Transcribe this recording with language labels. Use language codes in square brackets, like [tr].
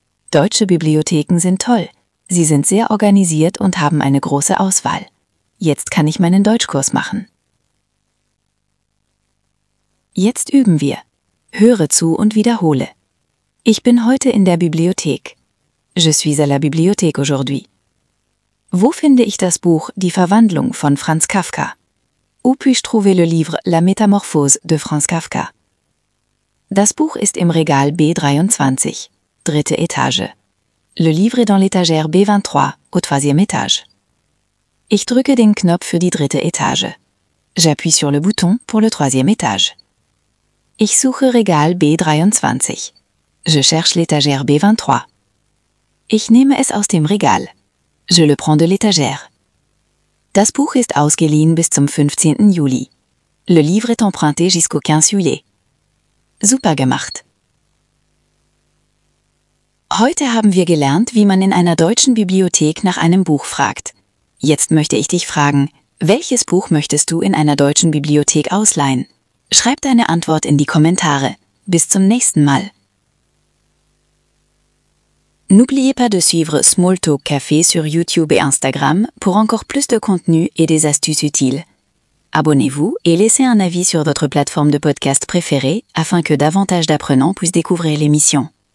[de] Deutsche Bibliotheken sind toll. Sie sind sehr organisiert und haben eine große Auswahl. Jetzt kann ich meinen Deutschkurs machen. Jetzt üben wir. Höre zu und wiederhole. Ich bin heute in der Bibliothek. [fr] Je suis à la bibliothèque aujourd'hui. [de] Wo finde ich das Buch »Die Verwandlung« von Franz Kafka? [fr] Où puis-je trouver le livre La Métamorphose de Franz Kafka? [de] Das Buch ist im Regal B23, dritte Etage. [fr] Le livre est dans l'étagère B23, au troisième étage. [de] Ich drücke den Knopf für die dritte Etage. [fr] J'appuie sur le bouton pour le troisième étage. [de] Ich suche Regal B23. [fr] Je cherche l'étagère B23. [de] Ich nehme es aus dem Regal. [fr] Je le prends de l'étagère. [de] Das Buch ist ausgeliehen bis zum 15. Juli. [fr] Le livre est emprunté jusqu'au 15 juillet. [de] Super gemacht! Heute haben wir gelernt, wie man in einer deutschen Bibliothek nach einem Buch fragt. Jetzt möchte ich dich fragen, welches Buch möchtest du in einer deutschen Bibliothek ausleihen? Schreib deine Antwort in die Kommentare. Bis zum nächsten Mal! [fr] N'oubliez pas de suivre Small Talk Café sur YouTube et Instagram pour encore plus de contenu et des astuces utiles. Abonnez-vous et laissez un avis sur votre plateforme de podcast préférée afin que davantage d'apprenants puissent découvrir l'émission.